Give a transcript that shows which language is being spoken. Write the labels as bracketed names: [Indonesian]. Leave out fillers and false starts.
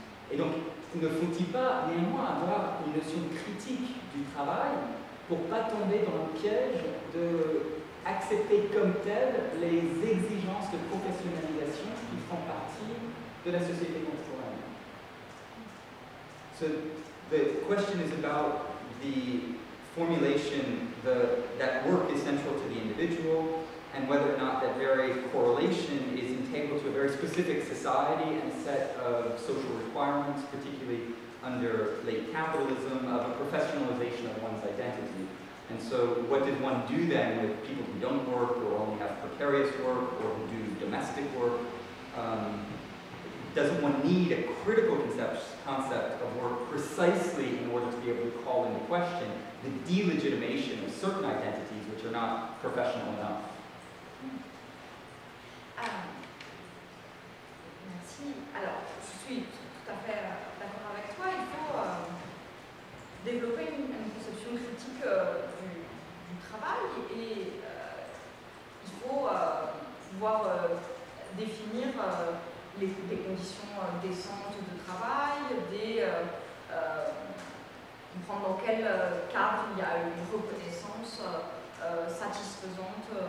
[French] Et donc, ne faut-il pas néanmoins avoir une notion critique du travail pour ne pas tomber dans le piège d'accepter comme telles les exigences de professionnalisation qui font partie de la société contemporaine. [English] So, the question is about the formulation that work is central to the individual, and whether or not that very correlation is integral to a very specific society and a set of social requirements, particularly under late capitalism, of a professionalization of one's identity. And so what did one do then with people who don't work or only have precarious work or who do domestic work? Doesn't one need a critical concept of work precisely in order to be able to call into question the delegitimation of certain identities which are not professional enough? [French] Merci. Alors, je suis tout à fait d'accord avec toi. Il faut développer une conception critique du travail et il faut pouvoir définir des conditions décentes de travail, comprendre dans quel cadre il y a une reconnaissance satisfaisante.